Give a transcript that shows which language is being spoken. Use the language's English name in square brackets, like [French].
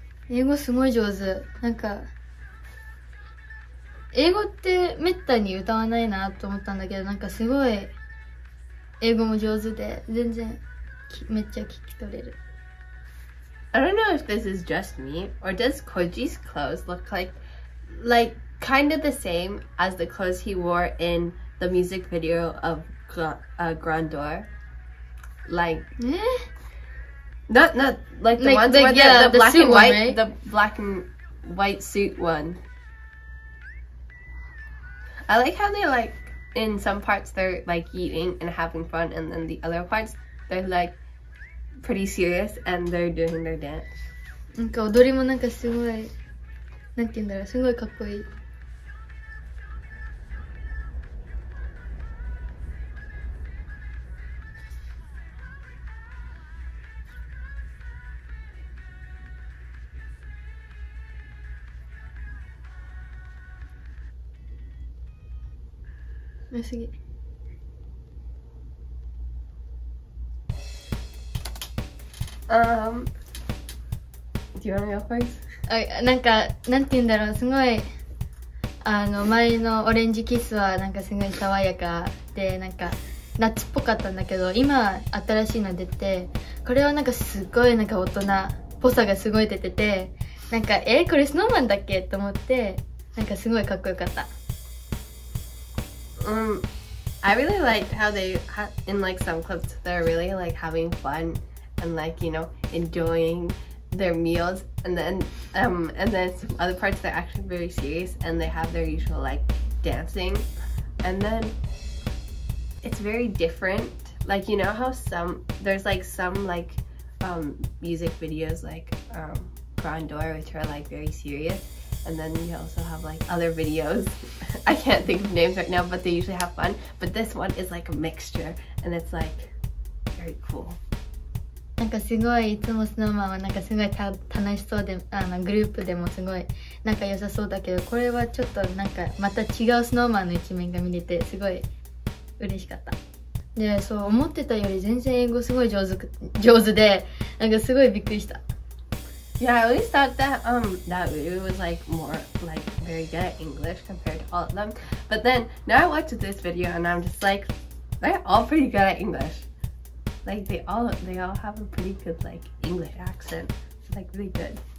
[Japanese] 英語すごい上手。なんか英語ってめったに歌わないなと思ったんだけど、なんかすごい英語も上手で全然。めっちゃ聞き取れる。 [English] I don't know if this is just me or does Koji's clothes look like kind of the same as the clothes he wore in the music video of Grandeur? Like not like the ones where the black and white suit one. I like how they like in some parts they're like eating and having fun and then the other parts they're likepretty serious and they're doing their dance. [Japanese] なんか踊りもなんかすごい、なんて言うんだろう、すごいかっこいい。あ、すげえ。 [English] Do you want to go first? [Japanese] なんか、なんて言うんだろう、すごい、あの、前のオレンジキスはなんかすごい爽やかで、なんか、夏っぽかったんだけど、今、新しいの出て、これはなんかすごいなんか大人っぽさがすごい出てて、なんか、これスノーマンだっけと思って、なんかすごいかっこよかった。 [English] I really like how they, in like some clips, they're really like having fun. And like, you know, enjoying their meals. And then some other parts, they're actually very serious and they have their usual like dancing. And then it's very different. Like, you know how some, there's like some like music videos like Grandeur, which are like very serious. And then you also have like other videos. I can't think of names right now, but they usually have fun. But this one is like a mixture and it's like very cool. [Japanese] なんかすごいいつもスノーマンはなんかすごい楽しそうで、あのグループでもすごいなんか良さそうだけど、これはちょっとなんかまた違うスノーマンの一面が見れてすごい嬉しかった。で、そう思ってたより全然英語すごい上手で、なんかすごいびっくりした。 [English] Yeah, I always thought that, that Wu was like more like very good at English compared to all of them. But then now I watched this video and I'm just like, they're all pretty good at English. Like they all have a pretty good like English accent. It's like really good.